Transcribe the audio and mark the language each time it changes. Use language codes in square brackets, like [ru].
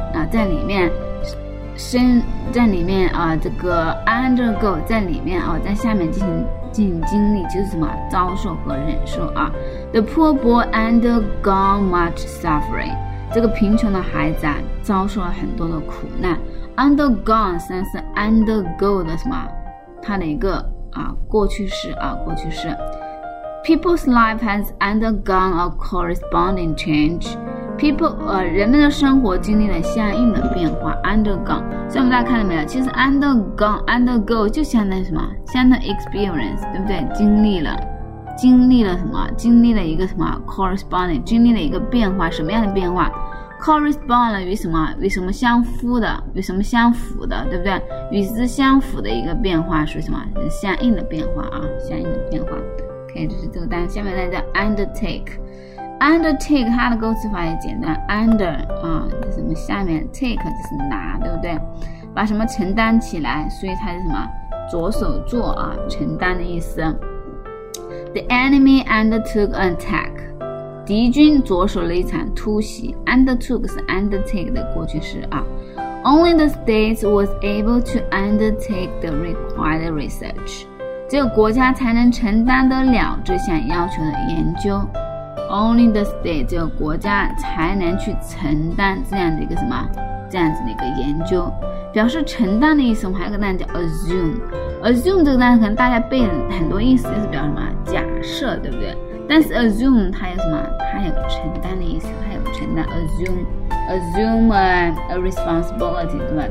[zh] 啊，在里面，身在里面啊，这个 undergo 在里面啊，在下面进行经历，就是什么遭受和忍受啊。 The poor boy undergone much suffering，这个贫穷的孩子啊，遭受了很多的苦难。 Undergone 实际上是 undergo 的什么？它的一个啊过去式啊过去式。 [en] People's life has undergone a corresponding change. [zh] People 人们的生活经历了相应的变化。 Undergone， 所以我们大家看到没有？其实 undergone undergo 就相当于什么？相当于 experience， 对不对？经历了什么？经历了一个什么 corresponding， 经历了一个变化，什么样的变化？ correspond 了与什么？与什么相符的？与什么相符的？对不对？与之相符的一个变化是什么？相应的变化啊，相应的变化。 OK， 就是这个单。下面来叫 undertake。undertake 它的构词法也简单 ，under 啊，就是什么下面 ，take 就是拿，对不对？把什么承担起来，所以它是什么？着手做啊，承担的意思。 The enemy undertook an attack。敌军着手了一场突袭 ，undertook 是 undertake 的过去式啊。 [en] Only the states was able to undertake the required research，只有国家才能承担得了这项要求的研究。 [zh] Only the state 只有国家才能去承担这样的一个什么？这样子的一个研究，表示承担的意思。我们还有个单词叫 assume， assume 这个单词可能大家背了很多意思，就是表示什么？假设，对不对？但是 assume 它有什么？它有承担的意思，它有承担 assume a responsibility，对吧？